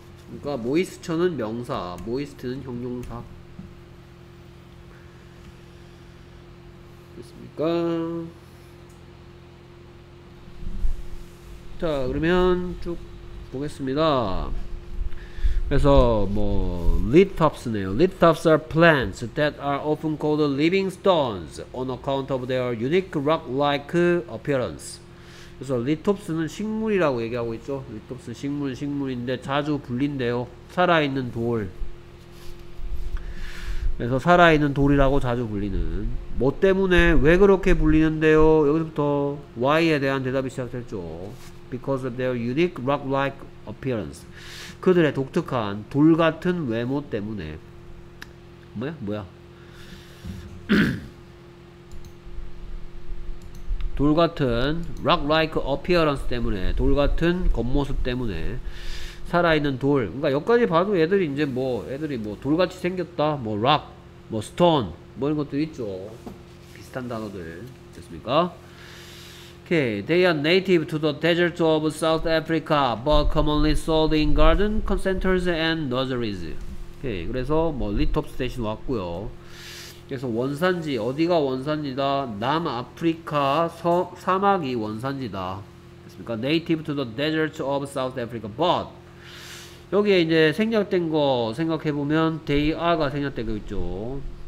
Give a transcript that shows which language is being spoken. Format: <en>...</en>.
<ko>그러니까 moisture는 명사, moist는 형용사. 됐습니까? 자, 그러면 쭉 보겠습니다. 그래서 뭐 lithops네요.</ko> <en>lithops are plants that are often called living stones on account of their unique rock-like appearance.</en> <ko>그래서 리톱스는 식물이라고 얘기하고 있죠. 리톱스는 식물, 식물인데 자주 불린대요. 살아있는 돌. 그래서 살아있는 돌이라고 자주 불리는. 뭐 때문에 왜 그렇게 불리는데요? 여기서부터 why에 대한 대답이 시작됐죠.</ko> <en>Because of their unique rock-like appearance.</en> <ko>그들의 독특한 돌 같은 외모 때문에. 뭐야? 뭐야? 돌 같은 rock-like appearance 때문에, 돌 같은 겉모습 때문에 살아있는 돌. 그러니까 여기까지 봐도 애들이 이제 뭐 애들이 뭐 돌같이 생겼다. 뭐 rock, 뭐 stone, 뭐 이런 것들 있죠. 비슷한 단어들 됐습니까?</ko> <en>Okay, they are native to the deserts of South Africa, but commonly sold in garden centers and nurseries.</en> <ko>Okay, 그래서 뭐 리톱스 대신 왔고요. 그래서 원산지, 어디가 원산지다? 남아프리카 사막이 원산지다. 됐습니까?</ko> <en>Native to the deserts of South Africa, but</en> <ko>여기에 이제 생략된 거 생각해보면 they are가 생략되고 있죠.</ko>